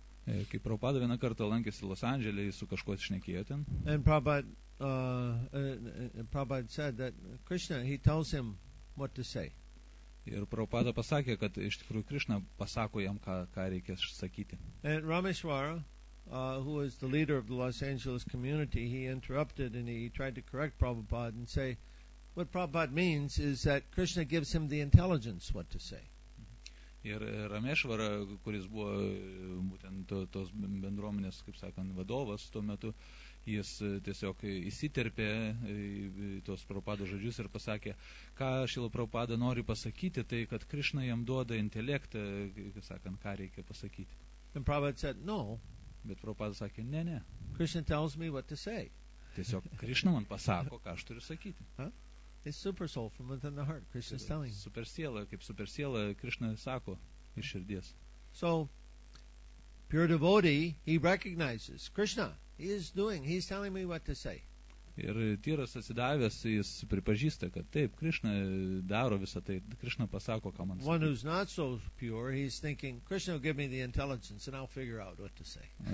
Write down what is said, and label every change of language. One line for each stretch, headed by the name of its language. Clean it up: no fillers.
Lithuanian: Kai Prabhupada vieną kartą lankėsi Los Andželėje, jis su kažkuo šnekėjo ten.
English: And Prabhupada said that Krishna, he tells him what to say.
Lithuanian: Ir Prabhupada pasakė, kad iš tikrųjų Krishna pasako jam, ką reikės sakyti.
English: And Rameshwara, who was the leader of the Los Angeles community, he interrupted and he tried to correct Prabhupada and say, what Prabhupada means is that Krishna gives him the intelligence what to say.
Lithuanian: Ir Rameshwara, kuris buvo būtent tos bendruomenės, kaip sakant, vadovas tuo metu, jis tiesiog įsiterpė tos Prabhupada žodžius ir pasakė, ką Šila Prabhupada nori pasakyti, tai kad Krishna jam duoda intelektą, kaip sakant, ką reikia pasakyti.
English: And Prabhupada said, no.
Lithuanian: Bet Prabhupada sakė, ne.
English: Krishna tells me what to say.
Lithuanian: Tiesiog Krishna man pasako, ką aš turiu sakyti.
English: It's super soul from within the heart, Krishna is telling.
Lithuanian: Super siela, kaip super siela, Krishna sako iš širdies.
English: So, pure devotee, he recognizes Krishna, he is doing, he's telling me what to say.
Lithuanian: Ir tyras atsidavęs, jis pripažįsta, kad taip, Krishna daro visą tai, Krishna pasako, ką man sakyti.
English: One who's not so pure, he's thinking, Krishna will give me the intelligence and I'll figure out what to say.